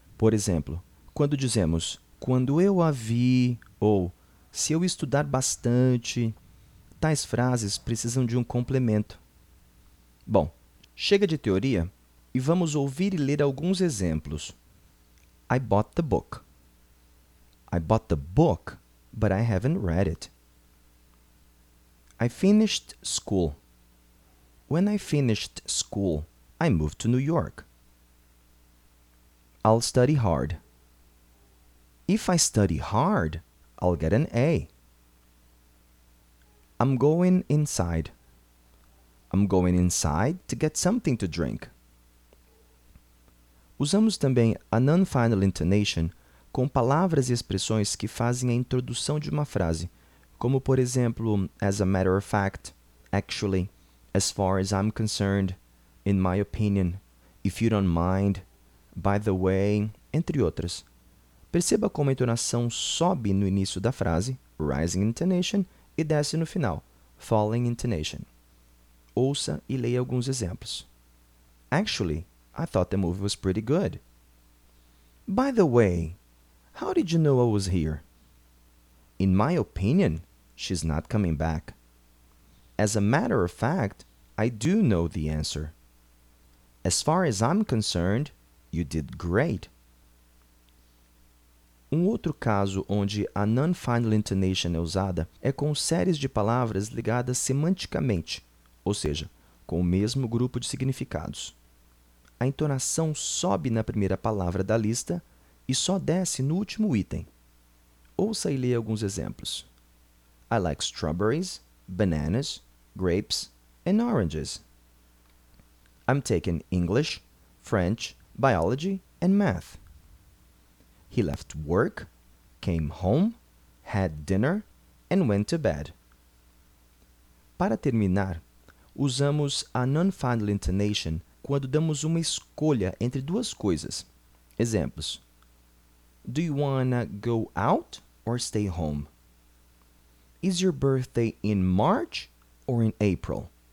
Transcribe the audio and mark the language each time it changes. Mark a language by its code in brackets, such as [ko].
[pt] Por exemplo, quando dizemos, quando eu a vi, ou se eu estudar bastante, tais frases precisam de um complemento. Bom, chega de teoria e vamos ouvir e ler alguns exemplos. [en] I bought the book. I bought the book, but I haven't read it. I finished school. When I finished school, I moved to New York. I'll study hard. If I study hard, I'll get an A. I'm going inside. I'm going inside to get something to drink. [pt] Usamos também a non-final intonation com palavras e expressões que fazem a introdução de uma frase, como por exemplo, [en] as a matter of fact, [pt] actually, [en] as far as I'm concerned, in my opinion, if you don't mind, by the way, [pt] entre outras. Perceba como a entonação sobe no início da frase, [en] rising intonation, [pt] e desce no final, [en] falling intonation. [pt] Ouça e leia alguns exemplos. [en] Actually, I thought the movie was pretty good. By the way, how did you know I was here? In my opinion, she's not coming back. As a matter of fact, I do know the answer. As far as I'm concerned, you did great. [pt] Um outro caso onde a non-final intonation é usada é com séries de palavras ligadas semanticamente, ou seja, com o mesmo grupo de significados. A entonação sobe na primeira palavra da lista e só desce no último item. Ouça e leia alguns exemplos. [en] I like strawberries, bananas, grapes, and oranges. I'm taking English, French, biology, and math. He left work, came home, had dinner, and went to bed. [pt] Para terminar, usamos a non-final intonation quando damos uma escolha entre duas coisas. Exemplos. [en] Do you wanna go out or stay home? Is your birthday in March or in April?